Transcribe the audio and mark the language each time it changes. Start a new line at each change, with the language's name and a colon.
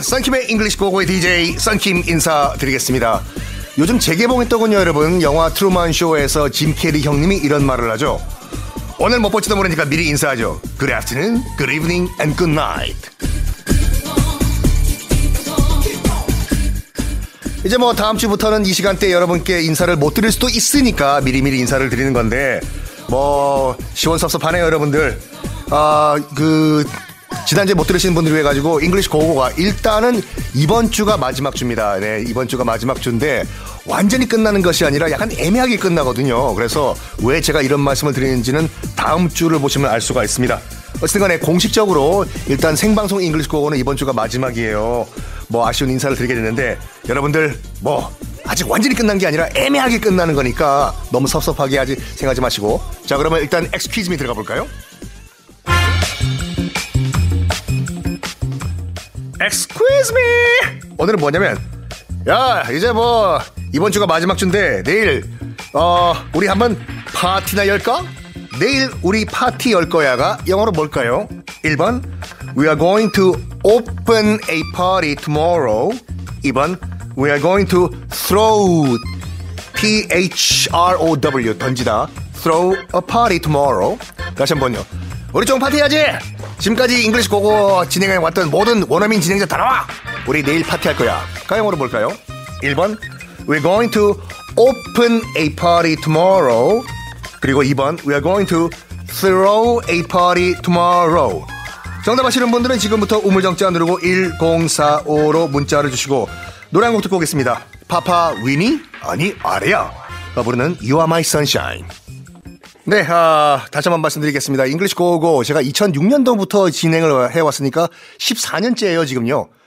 Korean: 썬킴의 English 고고의 DJ 썬킴 인사드리겠습니다. 요즘 재개봉했더군요, 여러분. 영화 트루먼 쇼에서 짐 캐리 형님이 이런 말을 하죠. 오늘 못 볼지도 모르니까 미리 인사하죠.
English: Good afternoon, good evening, and good night.
Korean: 이제 뭐 다음 주부터는 이 시간대에 여러분께 인사를 못 드릴 수도 있으니까 미리미리 인사를 드리는 건데 뭐 시원섭섭하네요, 여러분들. 아, 그 지난주에 못 들으신 분들 위해 가지고 잉글리시 고고가 일단은 이번 주가 마지막 주입니다. 네, 이번 주가 마지막 주인데 완전히 끝나는 것이 아니라 약간 애매하게 끝나거든요. 그래서 왜 제가 이런 말씀을 드리는지는 다음 주를 보시면 알 수가 있습니다. 어쨌든 간에 공식적으로 일단 생방송 잉글리시 고고는 이번 주가 마지막이에요. 뭐 아쉬운 인사를 드리게 됐는데 여러분들 뭐 아직 완전히 끝난 게 아니라 애매하게 끝나는 거니까 너무 섭섭하게 하지 생각하지 마시고 자 그러면 일단 엑스퀴즈미 들어가 볼까요? 엑스퀴즈미 오늘은 뭐냐면 야 이제 뭐 이번 주가 마지막 주인데 내일 우리 한번 파티나 열까? 내일 우리 파티 열 거야가 영어로 뭘까요?
English: 1번 We are going to open a party tomorrow. 2번 We are going to throw T-H-R-O-W 던지다 throw a party tomorrow.
Korean: 다시 한번요. 우리 좀 파티하지. 지금까지 잉글리시 고고 진행해 왔던 모든 원어민 진행자 다 나와. 우리 내일 파티할 거야. 가영어로 볼까요?
English: 1번 We are going to open a party tomorrow.
Korean: 그리고 2번
English: We are going to throw a party tomorrow.
Korean: 정답하시는 분들은 지금부터 우물정자 누르고 1045로 문자를 주시고 노래 한 곡 듣고 오겠습니다. 파파 위니 아니 아레아가 부르는 You are my sunshine. 네, 다시 한번 말씀드리겠습니다. English Go Go 제가 2006년도부터 진행을 해왔으니까 14년째예요 지금요.